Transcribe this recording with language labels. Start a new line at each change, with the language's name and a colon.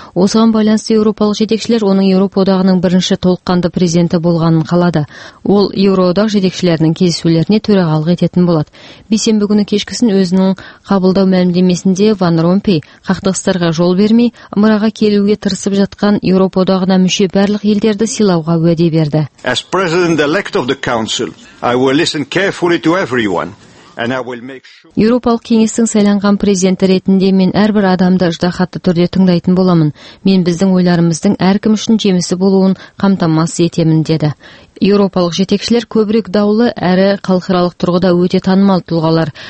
Kazakh: Осыған байланысты еуропалық жетекшілер оның Еуропадағының бірінші толыққанды президенті болғанын қалады. Ол Еуроодақ жетекшілерінің кездесулеріне төрағалық ететін болады. Бейсенбі күні кешкісін өзінің қабылдау мәлімдемесінде фон Ромпей қақтығыстарға жол бермей, ымыраға келуге тырысып жатқан Еуроодағына мүше барлық елдерді сыйлауға уәде берді.
English: As president-elect of the council, I will listen carefully to everyone.
Kazakh: Еуропалық кеңестің сайланған президенті ретінде мен әрбір адамды ыждахатты түрде тыңдайтын боламын. Мен біздің ойларымыздың әркім үшін жемісі болуын қамтамасыз етемін деді. Еуропалық жетекшілер көбірек даулы әрі халықаралық тұрғыда өте танымал тұлғалар.